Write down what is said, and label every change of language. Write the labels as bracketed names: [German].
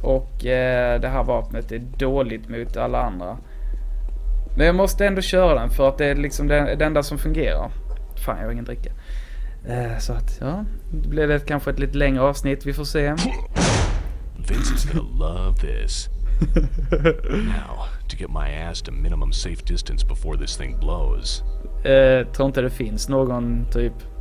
[Swedish] Och det här vapnet är dåligt mot alla andra. Men jag måste ändå köra den, för att det är liksom det enda som fungerar. Fan, jag har ingen dricka. Så att, ja, det blir det kanske ett lite längre avsnitt, vi får se. [English] Vincent's gonna love this. Now, to get my ass to minimum safe distance before this thing blows. [Swedish] Tror inte det finns någon typ.